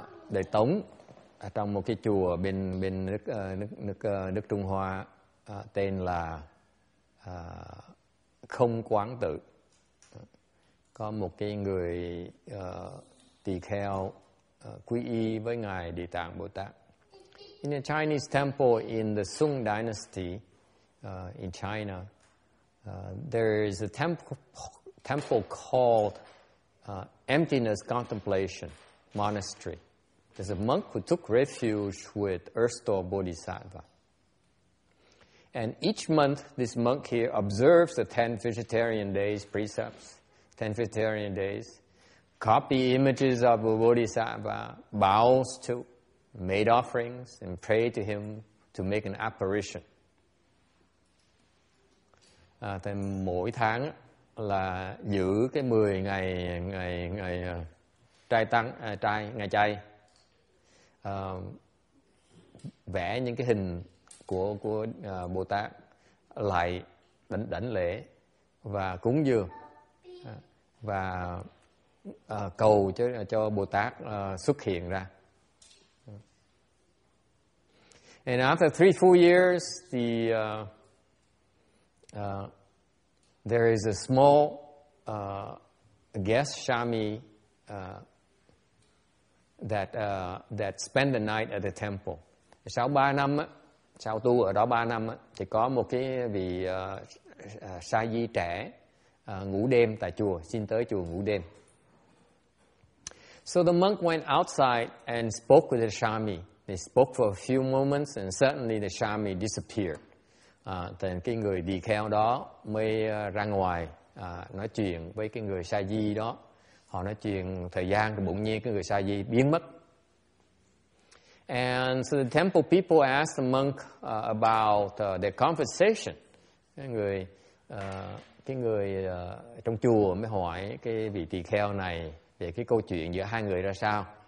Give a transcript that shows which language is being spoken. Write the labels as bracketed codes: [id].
[vi] Đời Tống. Ở trong một cái chùa bên nước Trung Hoa tên là Không Quán Tự, có một cái người tỳ kheo quy y với ngài Địa Tạng Bồ Tát. [en] In a Chinese temple in the Sung Dynasty in China, there is a temple called Emptiness Contemplation Monastery. There's a monk who took refuge with Erstor Bodhisattva. And each month, this monk here observes the 10 vegetarian days precepts, 10 vegetarian days, copy images of a Bodhisattva, bows to, made offerings, and pray to him to make an apparition. [vi] Thì mỗi tháng là giữ cái 10 ngày trai tăng, trai, ngày chay. Vẽ những cái hình của Bồ Tát lại đảnh lễ và cúng dường và cầu cho Bồ Tát xuất hiện ra. [en] And after 3-4 years, the there is a small guest shami that spend the night at the temple. [vi] Sau 3 năm sau tu ở đó 3 năm thì có một cái vị sa di trẻ ngủ đêm tại chùa, xin tới chùa ngủ đêm. [en] So the monk went outside and spoke with the shami. They spoke for a few moments and suddenly the shami disappeared. [vi] Thì cái người đi kheo đó mới ra ngoài nói chuyện với cái người sa di đó. Họ nói chuyện thời gian rồi bỗng nhiên cái người sa di biến mất. [en] And so the temple people asked the monk about their conversation. [vi] Cái người trong chùa mới hỏi cái vị tỳ kheo này về cái câu chuyện giữa hai người ra sao.